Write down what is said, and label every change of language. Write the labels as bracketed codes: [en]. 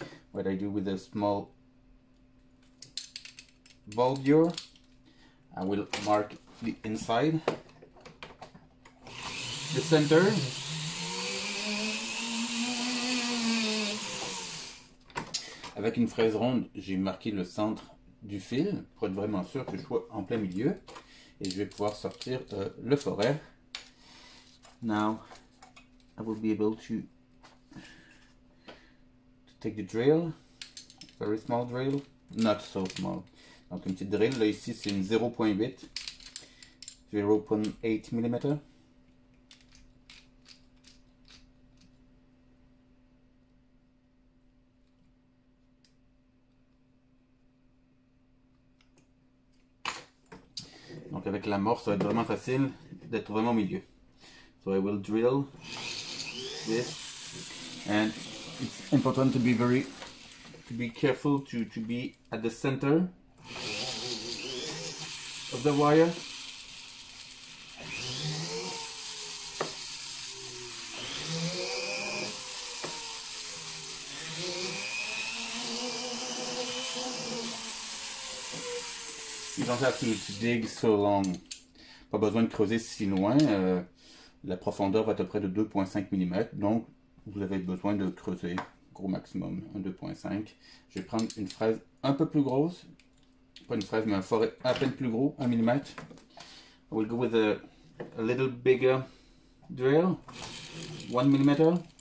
[en] What I do with a small bulb here, I will mark the inside, the center, [fr] avec une fraise ronde, j'ai marqué le centre du fil pour être vraiment sûr que je sois en plein milieu et je vais pouvoir sortir le forêt. [en] Now, I will be able to take the drill, very small drill, not so small. [fr] Donc une petite drill, là ici c'est une 0.8, 0.8 mm. Donc avec l'amorce, ça va être vraiment facile d'être vraiment au milieu. [en] So I will drill this, and it's important to be careful to be at the center of the wire. You don't have to dig so long. [fr] Pas besoin de creuser si loin. La profondeur va être à peu près de 2,5 mm. Donc, vous avez besoin de creuser gros maximum, un 2,5. Je vais prendre une fraise un peu plus grosse. Pas une fraise, mais un forêt à peine plus gros, 1 mm. [en] I will go with a little bigger drill, 1 mm.